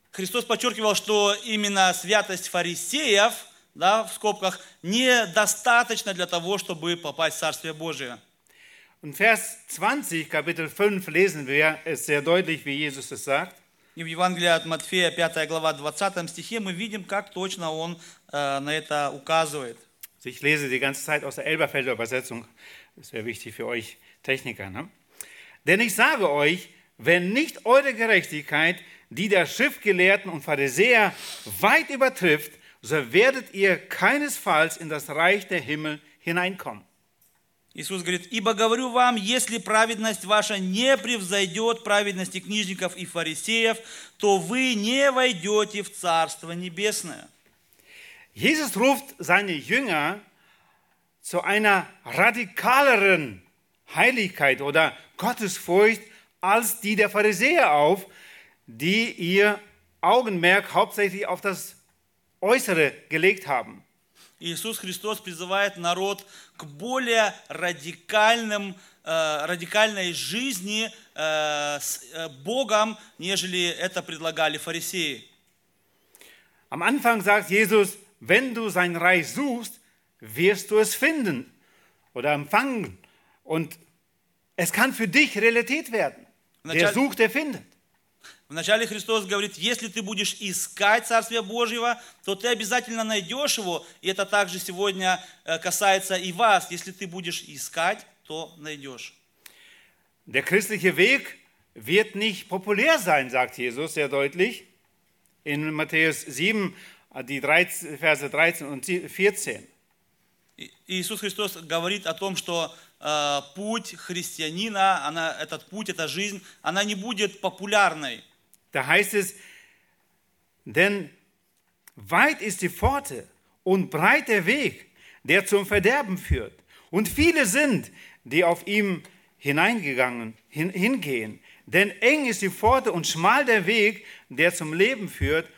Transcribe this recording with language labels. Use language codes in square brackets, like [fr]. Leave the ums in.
[ru] Христос подчеркивал, что именно святость фарисеев, да, в скобках, недостаточно для того, чтобы попасть в Царствие Божие. [de] In Vers 20, Kapitel 5, lesen wir es sehr deutlich, wie Jesus es sagt. [ru] И в Евангелии от Матфея, 5 глава, 20 стихе, мы видим, как точно он äh, на это указывает. [de] Ich lese die ganze Zeit aus der Elberfelder Übersetzung. Das wäre wichtig für euch Techniker. Ne? Denn ich sage euch, wenn nicht eure Gerechtigkeit die der Schriftgelehrten und Pharisäer weit übertrifft, so werdet ihr keinesfalls in das Reich der Himmel hineinkommen. [ru] Иисус говорит, ибо говорю вам, если праведность ваша не превзойдет праведности книжников и фарисеев, то вы не войдете в Царство Небесное. [de] Jesus ruft seine Jünger zu einer radikaleren Heiligkeit oder Gottesfurcht als die der Pharisäer auf, die ihr Augenmerk hauptsächlich auf das Äußere gelegt haben. [ru] Jesus Christus призывает народ к более радикальным, äh, радикальной жизни äh, с äh, die нежели это предлагали фарисеи. [de] Am Anfang sagt Jesus, wenn du sein Reich suchst, wirst du es finden oder empfangen. Und es kann für dich Realität werden. Wer sucht, der findet. [ru] Вначале Христос говорит, если ты будешь искать Царствие Божьего, то ты обязательно найдешь его. И это также сегодня касается и вас. Если ты будешь искать, то найдешь. [de] Der christliche Weg wird nicht populär sein, sagt Jesus sehr deutlich in Matthäus 7, die 13, Verse 13 und 14. [ru] И, Иисус Христос говорит о том, что äh, путь христианина, она, этот путь, эта жизнь, она не будет популярной. [de] Da heißt es, denn weit ist die Pforte und breit der Weg, der zum Verderben führt. Und viele sind, die auf ihm hineingegangen, hin, hingehen. Denn eng ist die Pforte und schmal der Weg, der zum Leben führt.